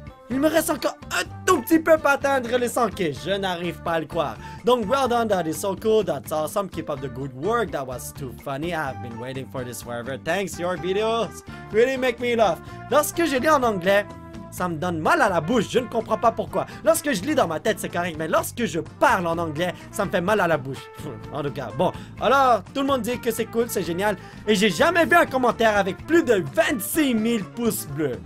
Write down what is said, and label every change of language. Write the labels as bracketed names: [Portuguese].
[French] Il me reste encore un tout petit peu pour atteindre les 100K. Je n'arrive pas à le croire. [English] Donc, well done, that is so cool. That's awesome. Keep up the good work. That was too funny. I've been waiting for this forever. Thanks, your videos really make me laugh. [French] Lorsque je lis en anglais, ça me donne mal à la bouche. Je ne comprends pas pourquoi. Lorsque je lis dans ma tête, c'est correct. Mais lorsque je parle en anglais, ça me fait mal à la bouche. En tout cas, bon. Alors, tout le monde dit que c'est cool, c'est génial. Et j'ai jamais vu un commentaire avec plus de 26 000 pouces bleus.